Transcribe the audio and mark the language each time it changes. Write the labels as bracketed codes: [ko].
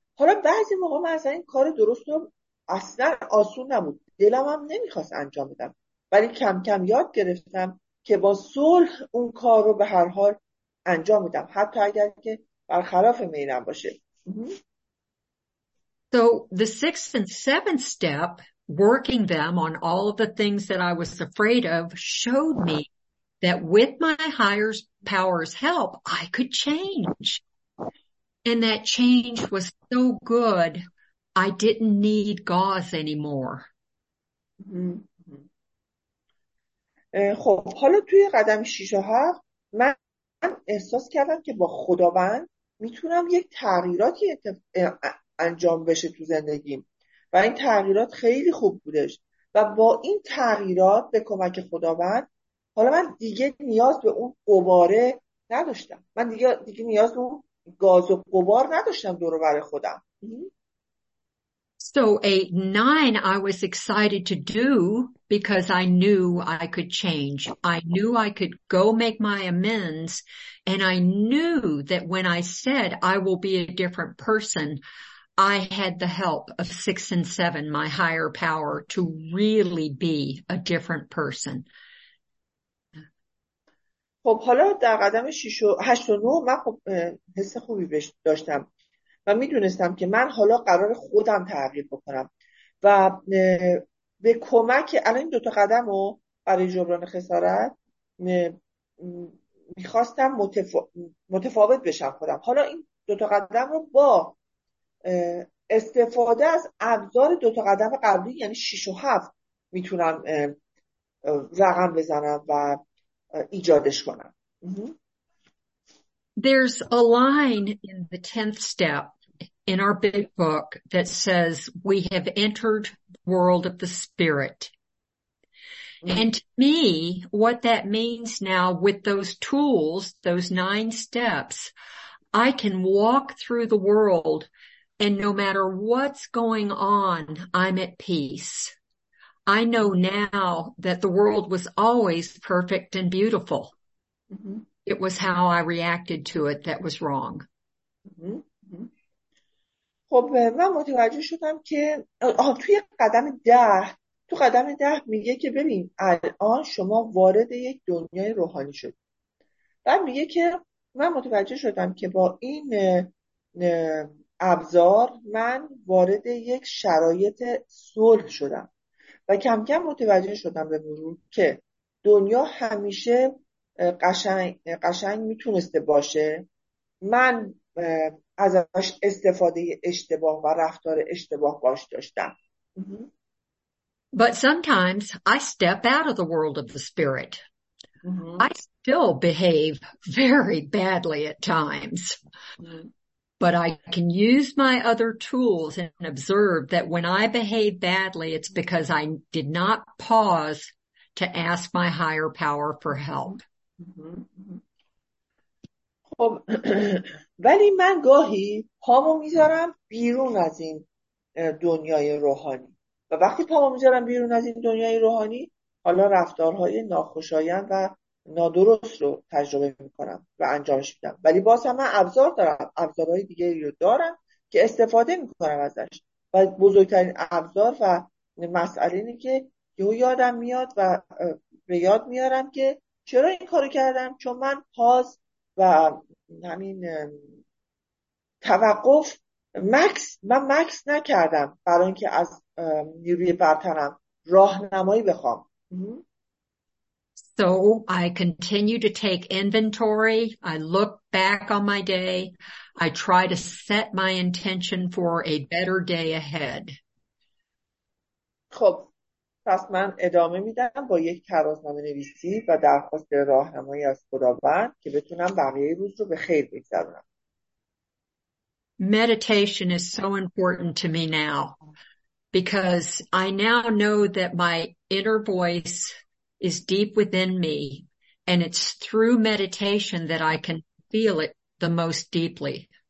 [fa] حالا بعضی موقع من از این کار درست رو اصلا آسون نبود، دلم هم نمیخواست انجام بدم، ولی کم کم یاد گرفتم که با صلح اون کار رو به هر حال انجام میدم، حتی اگر که برخلاف میلم باشه. [en] So the sixth and seventh step, working them on all of the things that I was afraid of, showed me that with my higher power's help, I could change. And that change was so good, I didn't need gauze anymore. [fa] خب حالا توی قدم 6 و 7 من احساس کردم که با خداوند میتونم یک تغییراتی انجام بشه تو زندگیم و این تغییرات خیلی خوب بودش و با این تغییرات به کمک خداوند حالا من دیگه نیاز به اون قباره نداشتم، من دیگه نیاز به اون گاز و قبار نداشتم دور و بر خودم. [en] So 8 9 I was excited to do because I knew I could change. I knew I could go make my amends, and I knew that when I said I will be a different person, I had the help of 6 and 7, my higher power, to really be a different person. [fa] خب حالا در قدم 6 و 8 و 9 من خب حس خوبی داشتم و میدونستم که من حالا قرار خودم تغییر بکنم و به کمک الان دو تا قدم رو برای جبران خسارت میخواستم متفاوت بشم خودم. حالا این دو تا قدم رو با استفاده از ابزار دو تا قدم قبلی یعنی 6 و 7 میتونم رقم بزنم و ایجادش کنم. [en] There's a line in the 10th step in our big book that says we have entered the world of the spirit. And to me, what that means now with those tools, those 9 steps, I can walk through the world and no matter what's going on, I'm at peace. I know now that the world was always perfect and beautiful. It was how I reacted to it that was wrong. [fa] خب من متوجه شدم که توی قدم ده، تو قدم ده میگه که ببین الان شما وارد یک دنیای روحانی شدی. بعد میگه که من متوجه شدم که با این ابزار من وارد یک شرایط صلح شدم و کم کم متوجه شدم به مرور که دنیا همیشه قشنگ میتونسته باشه، من ازش استفاده اشتباه و رفتار اشتباه باش داشتم. [en] But sometimes I step out of the world of the spirit. I still behave very badly at times. But I can use my other tools and observe that when I behave badly, it's because I did not pause to ask my higher power for help. [fa] خب ولی من گاهی پامو میذارم بیرون از این دنیای روحانی و وقتی پامو میذارم بیرون از این دنیای روحانی، حالا رفتارهای ناخوشایند و نادرست رو تجربه میکنم و انجامش میدم، ولی باز هم من ابزار دارم، ابزارهای دیگری رو دارم که استفاده میکنم ازش و بزرگترین ابزار و مسئله اینه که یهو یادم میاد و به یاد میارم که چرا این کارو کردم، چون من پاس و همین توقف مکس، من مکس نکردم برای اینکه از نیروی برترم راهنمایی بخوام. [en] So I continue to take inventory. I look back on my day. I try to set my intention for a better day ahead. [fa] خب پس من ادامه میدم با یک ترازنامه نویسی و درخواست راهنمایی از خداوند که بتونم بقیه روز رو به خیر بگذرونم. [en] Meditation is so important to me now because I now know that my inner voice is deep within me, and it's through meditation that I can feel it the most deeply.